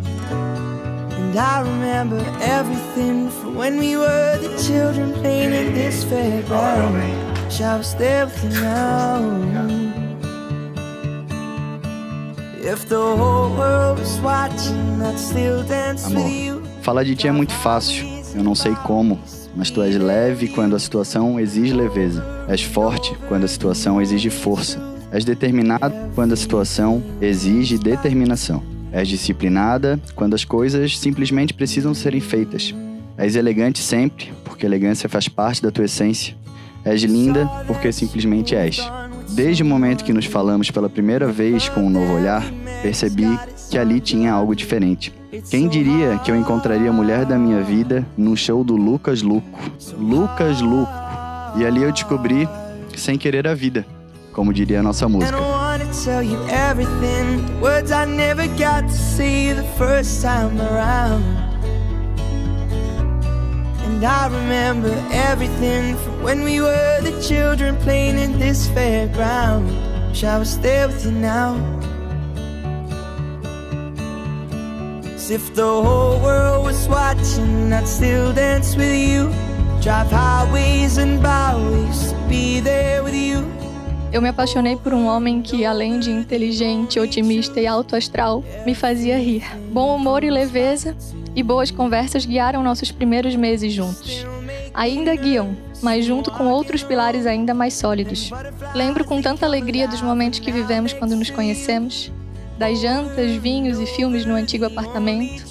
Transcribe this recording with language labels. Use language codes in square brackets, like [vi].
[en] And I remember everything from when we were the children playing in this fairground. Shall I stay with you now? If the whole world was watching, I'd still dance with you. [pt] Amor, falar de ti é muito fácil, eu não sei como, mas tu és leve quando a situação exige leveza, és forte quando a situação exige força, és determinado quando a situação exige determinação. És disciplinada quando as coisas simplesmente precisam serem feitas. És elegante sempre, porque elegância faz parte da tua essência. És linda, porque simplesmente és. Desde o momento que nos falamos pela primeira vez com um novo olhar, percebi que ali tinha algo diferente. Quem diria que eu encontraria a mulher da minha vida no show do Lucas Luco? Lucas Luco. E ali eu descobri, sem querer, a vida, como diria a nossa música. [en] Tell you everything, words I never got to say the first time around. And I remember everything from when we were the children playing in this fairground. Wish I was there with you now. As if the whole world was watching, I'd still dance with you. Drive highways and byways to be there with you. [pt] Eu me apaixonei por um homem que, além de inteligente, otimista e alto astral, me fazia rir. Bom humor e leveza e boas conversas guiaram nossos primeiros meses juntos. Ainda guiam, mas junto com outros pilares ainda mais sólidos. Lembro com tanta alegria dos momentos que vivemos quando nos conhecemos, das jantas, vinhos e filmes no antigo apartamento.